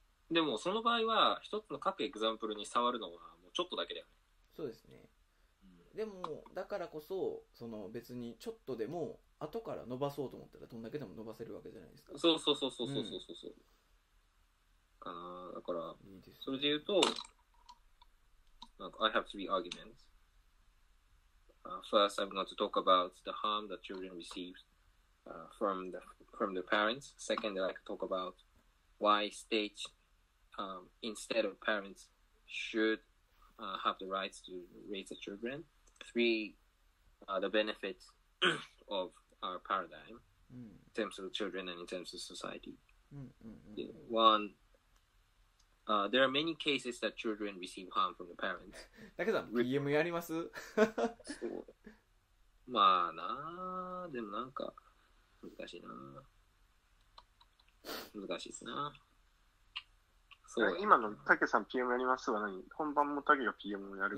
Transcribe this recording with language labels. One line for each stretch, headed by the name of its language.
Japanese: でもその場合は一つの各エグザンプルに触るのはもうちょっとだけだよね。そうですね、でもだからこそその別にちょっとでも後から伸ばそうと思ったらどんだけでも伸ばせるわけじゃないですか。そうそうそうそうそうそうそう、うん、あだからいいです、ね、それで言うとなんか
English: I have three arguments、first I'm going to talk about the harm that children receive、from the parents. Second I can talk about why state、instead of parents shouldhave the rights to raise the children. Three, the benefits of our paradigm、
Japanese: うん、
English: in terms of the children and in terms of society.
Japanese: うんうんうん、うん、
English: One,there are many cases that children receive harm from the parents.
Japanese: だけさん、DM やります？そう。まあなあ、でもなんか難しいな。難しいっすな。そう、今のタケさん PM やりますは何、本番もタケが PM をやる。